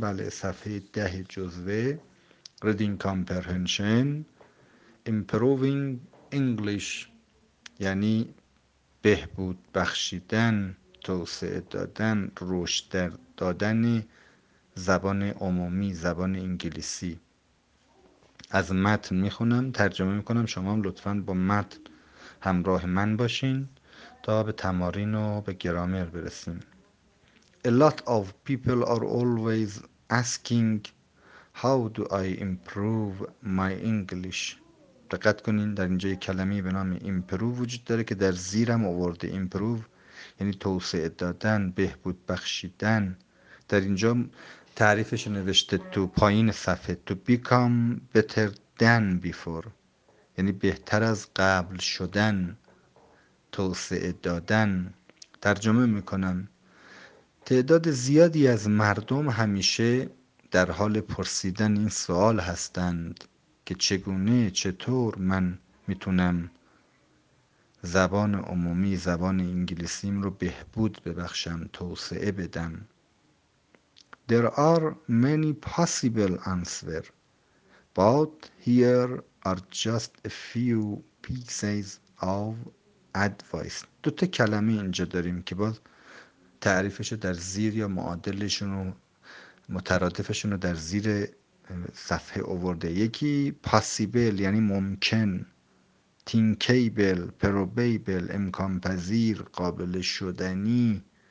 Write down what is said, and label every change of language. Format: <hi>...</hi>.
<fa>بله، صفحه 10 جزوه</fa> <en>Reading Comprehension Improving English،</en> <fa>یعنی بهبود بخشیدن، توسعه دادن، رشد دادن زبان عمومی، زبان انگلیسی. از متن میخونم، ترجمه میکنم، شما هم لطفاً با متن همراه من باشین تا به تمارین و به گرامر برسیم.</fa> <en>A lot of people are always asking how do I improve my English.</en> <fa>دقت کنین، در اینجا یک کلمه به نام improve وجود داره که در زیرم آورده. improve یعنی توسعه دادن، بهبود بخشیدن. در اینجا تعریفش نوشته تو پایین صفحه،</fa> <en>to become better than before،</en> <fa>یعنی بهتر از قبل شدن، توسعه دادن. ترجمه میکنم، تعداد زیادی از مردم همیشه در حال پرسیدن این سوال هستند که چگونه، چطور من میتونم زبان عمومی، زبان انگلیسیم رو بهبود ببخشم، توسعه بدم.</fa> <en>There are many possible answers, but here are just a few pieces of advice.</en> <fa>دو تا کلمه اینجا داریم که باز تعریفش رو در زیر یا معادلشون و مترادفشون رو در زیر صفحه آورده. یکی possible یعنی ممکن، thinkable، probable، امکان پذیر، قابل شدنی.</fa>